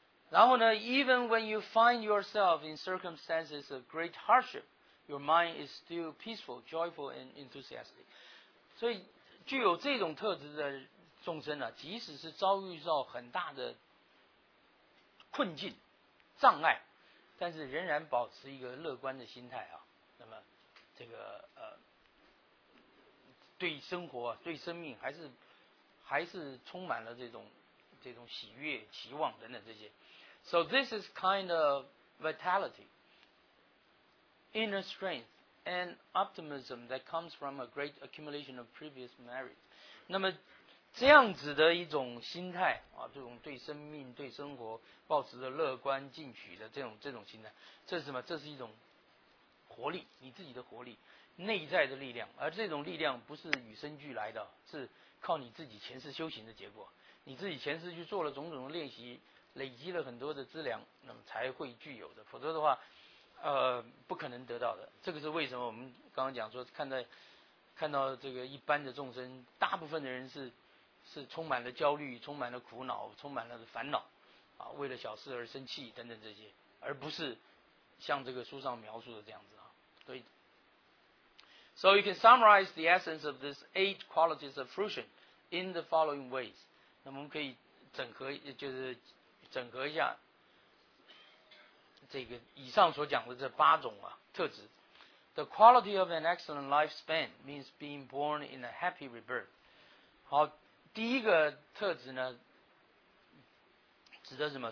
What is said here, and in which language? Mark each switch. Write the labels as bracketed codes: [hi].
[zh] 然后呢， [en] even when you find yourself in circumstances of great hardship, your mind is still peaceful, joyful, and enthusiastic. [zh] 所以具有这种特质的众生啊，即使是遭遇到很大的困境障碍，但是仍然保持一个乐观的心态啊，那么这个对生活对生命还是充满了这种喜悦期望等等这些。 [en] So this is kind of vitality, inner strength, and optimism that comes from a great accumulation of previous merit. [zh] 那么这样子的一种心态啊，这种对生命对生活抱持着乐观进取的这种心态，这是什么？这是一种活力，你自己的活力，内在的力量。而这种力量不是与生俱来的，是靠你自己前世修行的结果，你自己前世去做了种种的练习，累积了很多的资粮，那么才会具有的，否则的话不可能得到的。这个是为什么我们刚刚讲说看到这个一般的众生，大部分的人是充满了焦虑，充满了苦恼，充满了烦恼啊，为了小事而生气等等这些，而不是像这个书上描述的这样子啊。所以 [en] So you can summarize the essence of this 8 qualities of fruition in the following ways. [zh] 那么我们可以整合一下这个以上所讲的这8种啊特质。 [en] The quality of an excellent lifespan means being born in a happy rebirth. [zh] 好，第一个特质呢指的什么？